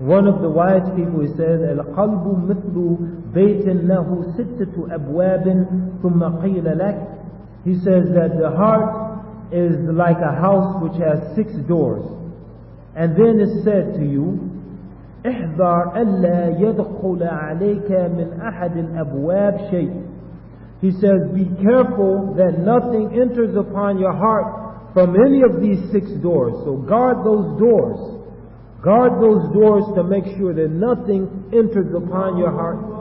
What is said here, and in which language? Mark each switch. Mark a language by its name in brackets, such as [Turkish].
[English] One of the wise people, he says, [Arabic] الْقَلْبُ مِثْلُ بَيْتٍ لَهُ سِتَّةُ أَبْوَابٍ ثُمَّ قِيلَ لَكَ. [English] He says that the heart is like a house which has six doors. And then it's said to you, [Arabic] احذر ألا يدخل عليك من أحد الأبواب شيء. [English] He says, be careful that nothing enters upon your heart from any of these six doors. So guard those doors. Guard those doors to make sure that nothing enters upon your heart.